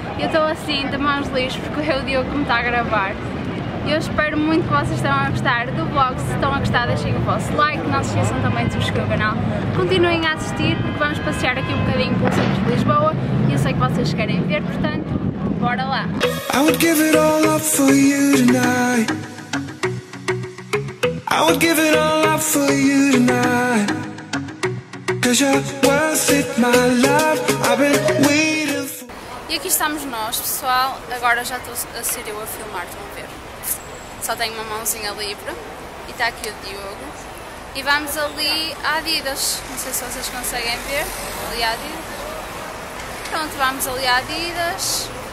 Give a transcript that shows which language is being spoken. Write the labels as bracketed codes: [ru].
[pt] Eu estou assim de mãos livres porque é o Diogo que me está a gravar. Eu espero muito que vocês estão a gostar do vlog. Se estão a gostar, deixem o vosso like, não se esqueçam também de subscrever o canal. Continuem a assistir porque vamos passear aqui um bocadinho pelo centro de Lisboa e eu sei que vocês querem ver, portanto, bora lá! [en] I would give it all up for you tonight. I would give it all up for you tonight. Cause you're worth it, my love. I've been waiting for. [pt] E aqui estamos nós, pessoal. Agora já estou a ser eu a filmar, estão a ver? Só tenho uma mãozinha livre. E está aqui o Diogo. E vamos ali à Adidas. Não sei se vocês conseguem ver. Ali à Adidas. Pronto, vamos ali à Adidas.